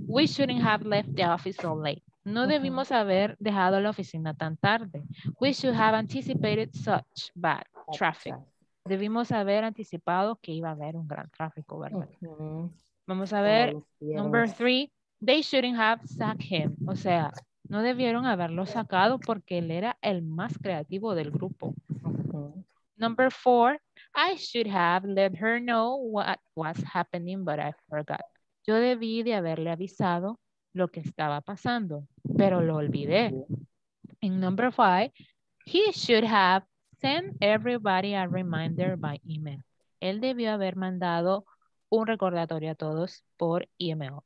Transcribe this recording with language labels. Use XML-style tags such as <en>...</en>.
<en>We shouldn't have left the office so late.</en> <es>No debimos haber dejado la oficina tan tarde.</es> <en>We should have anticipated such bad traffic.</en> <es>Debimos haber anticipado que iba a haber un gran tráfico, ¿verdad? Vamos a ver,</es> <en>number three. They shouldn't have sacked him.</en> <es>O sea, no debieron haberlo sacado porque él era el más creativo del grupo.</es> <en>Number four. I should have let her know what was happening, but I forgot.</en> <es>Yo debí de haberle avisado lo que estaba pasando, pero lo olvidé.</es> <en>In number five, he should have sent everybody a reminder by email.</en> <es>Él debió haber mandado un recordatorio a todos por email.</es>